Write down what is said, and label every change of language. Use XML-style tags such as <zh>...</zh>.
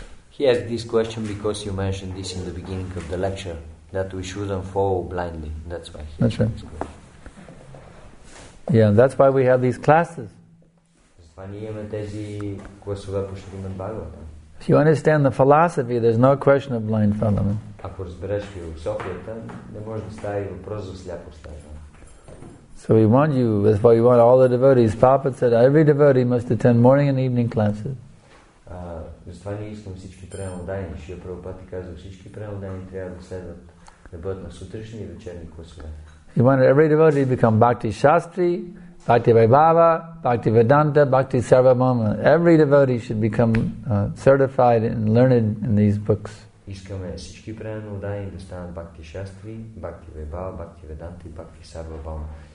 <en>He asked this question because you mentioned this in the beginning of the lecture, that we shouldn't follow blindly. That's why. That's right. Yeah, that's why we have these classes. If you understand the philosophy, there's no question of blind following.</en> <bg>Ако разбереш философията, не може да стави въпрос за сляпо следване.</bg> <en>So we want you, that's why we want all the devotees. Prabhupada said every devotee must attend morning and evening classes.</en> <bg>Затова ние искам всички преналдани. Шрила Прабхупада казва, всички преналдани трябва да следват, да бъдат на сутрешни и вечерни класове.</bg> <en>He wanted every devotee to become Bhakti Shastri, Bhakti Vaibhava, Bhakti Vedanta, Bhakti Sarvamama. Every devotee should become certified and learned in these books.</en> <bg>Искаме всички преналдани да станат Бхакти Шастри, Бхакти Вайбава, Бхакти Веданта и Бхакти Сарвабхаума.</bg>